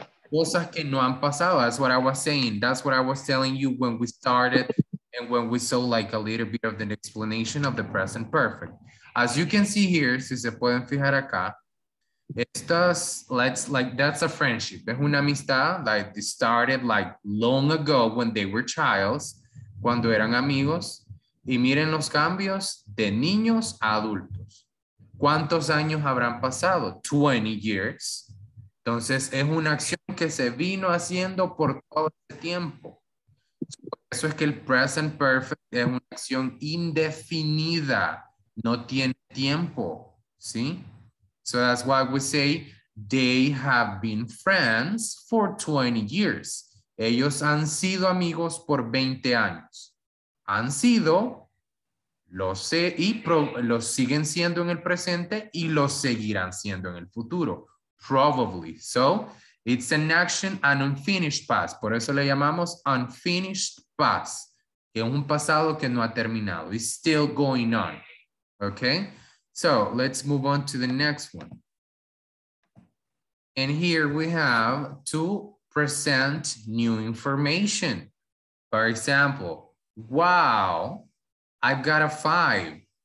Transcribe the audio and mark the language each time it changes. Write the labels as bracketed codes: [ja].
[es] Cosas que no han pasado, [en] that's what I was saying. That's what I was telling you when we started and when we saw like a little bit of the explanation of the present perfect. As you can see here, [es] si se pueden fijar acá, estas, [en] let's like, that's a friendship. [es] Es una amistad, [en] like they started like long ago when they were childs, [es] cuando eran amigos. Y miren los cambios de niños a adultos. ¿Cuántos años habrán pasado? [en] 20 years. [es] Entonces, es una acción que se vino haciendo por todo el tiempo. Por eso es que el present perfect es una acción indefinida. No tiene tiempo, ¿sí? [en] So that's why we say, they have been friends for 20 years. [es] Ellos han sido amigos por 20 años. Han sido, lo sé, y lo siguen siendo en el presente y lo seguirán siendo en el futuro. [en] Probably. So, it's an action, an unfinished past. [es] Por eso le llamamos unfinished past. Que es un pasado que no ha terminado. [en] It's still going on. Okay? So, let's move on to the next one. And here we have to present new information. For example, wow, I've got a 5.